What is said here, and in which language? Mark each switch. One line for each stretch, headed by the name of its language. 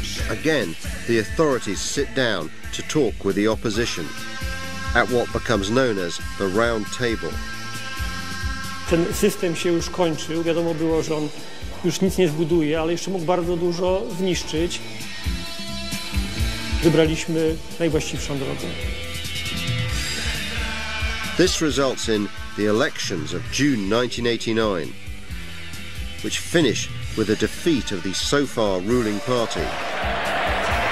English: Again, the authorities sit down to talk with the opposition at what becomes known as the round table.
Polish: Ten system się już kończył. Wiadomo było, że on już nic nie zbuduje, ale jeszcze mógł bardzo dużo zniszczyć. Wybraliśmy najwłaściwszą drogę.
English: This results in the elections of June 1989, which finish with a defeat of the so far ruling party.